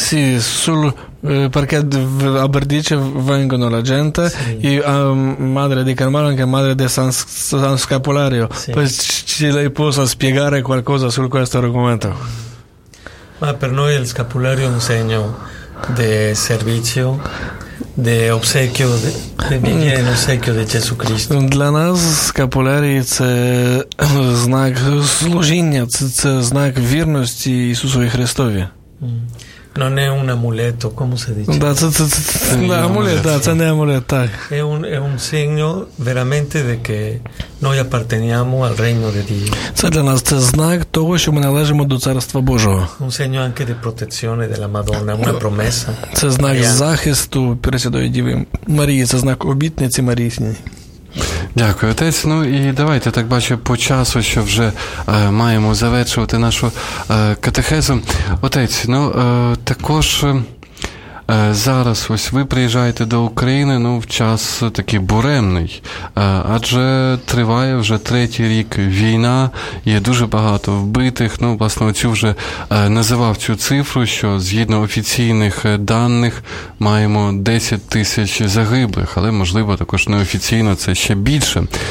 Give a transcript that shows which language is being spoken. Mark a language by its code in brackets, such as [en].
[it] Sì, sul perché a Berdice vengono la gente e madre di Carmelo anche madre di San Scapolario. Ci lei possa spiegare qualcosa su questo argomento? Ma per noi il scapolario è un segno di servizio. [es] De obsequio de un obsequio de Jesus Cristo. [uk] Для нас скапулярі це знак служіння, це знак вірності Ісусу Христові. [it] Non è un amuleto, come si dice? Da, amuleto. È un segno veramente de che noi apparteniamo al regno di Dio. [uk] Це для нас це знак того, що ми належимо до царства Божого. [it] Un segno anche di protezione della Madonna, una promessa. [uk] Це знак захисту Пресвятої Діви Марії, це знак обітниці Марії. Дякую, отець. Ну і давайте, так бачу, по часу, що вже маємо завершувати нашу катехезу. Отець, ну також зараз ось ви приїжджаєте до України, ну в час такий буремний, адже триває вже 3-й рік війна, є дуже багато вбитих, ну власне оцю вже називав цю цифру, що згідно офіційних даних маємо 10 тисяч загиблих, але можливо також неофіційно це ще більше.